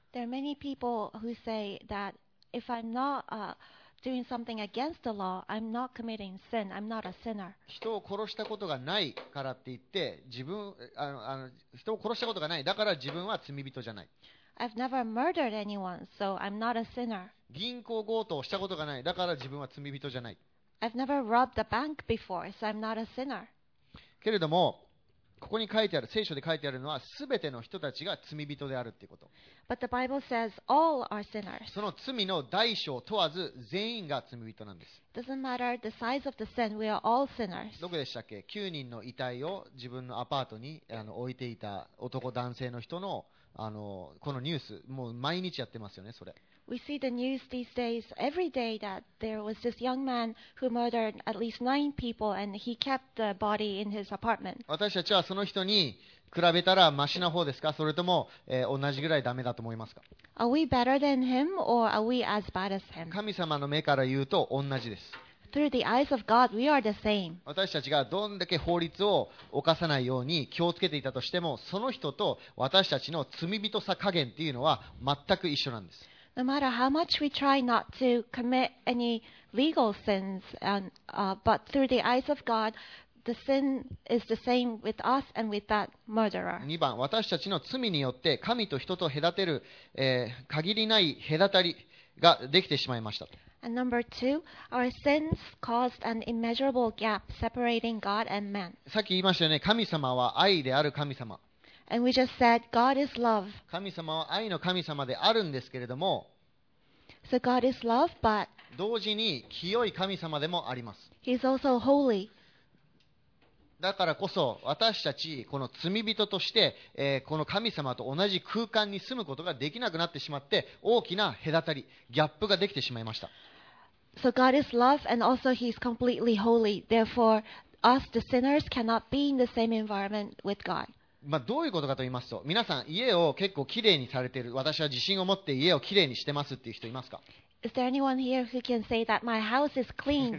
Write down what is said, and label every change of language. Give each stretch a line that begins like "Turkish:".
English: There are many people who say that if I'm not doing something against the law, I'm not committing sin. I'm not a sinner.
Japanese: 人を殺したことがないからって言って自分あの人を殺したことがないだから自分は罪人じゃない。
English: I've never murdered anyone, so I'm not a sinner.
Japanese: 銀行強盗したことがない、だから自分は罪人じゃない。
English: I've never robbed a bank before, so I'm not a sinner.
Japanese: けれども、ここに書いてある、聖書で書いてあるのは、すべての人たちが罪人であるということ。
English: But the Bible says all are sinners.
Japanese: その罪の大小問わず、全員が罪人なんです。
English: Doesn't matter the size of the sin, we are all sinners.
Japanese: どこでしたっけ ?9 人の遺体を自分のアパートに置いていた男、男性の人のこのニュースもう毎日やってますよねそれ。
English: We see the news these days every day that there was this young man who murdered at least nine people and he kept the body in his apartment.
Japanese: 私たちはその人に比べたらマシな方ですかそれとも、同じぐらいダメだと思いますか。
English: Are we better than him or are we as bad as him?
Japanese: 神様の目から言うと同じです。
English: Through the eyes of God, we are the same.
Japanese: 私たちがどんだけ法律を犯さないように気をつけていたとしても、その人と私たちの罪人さ加減っていうのは全く一緒なんです。
English: No matter how much we try not to commit any legal sins, but through the eyes of God, the sin is the same with us and with that murderer.
Japanese: 2番、私たちの罪によって神と人と隔てる、限りない隔たりができてしまいました。
English: And number two, our sins caused an immeasurable gap separating God and man.
Japanese: さっき言いましたよね、神様は愛である神様。
English: And we just said, God is love.
Japanese: 神様は愛の神様であるんですけれども、
English: So God is love, but
Japanese: 同時に清い神様でもあります。
English: He's also holy.
Japanese: だからこそ私たちこの罪人として、この神様と同じ空間に住むことができなくなってしまって、大きな隔たり、ギャップができてしまいました。
English: So God is love and also He's completely holy. Therefore, us the sinners cannot be in the same environment with God.
Japanese: まあどういうことかと言いますと、皆さん家を結構きれいにされている、私は自信を持って家をきれいにしてますっていう人いますか？
English: Is there anyone here who can say that my house is clean?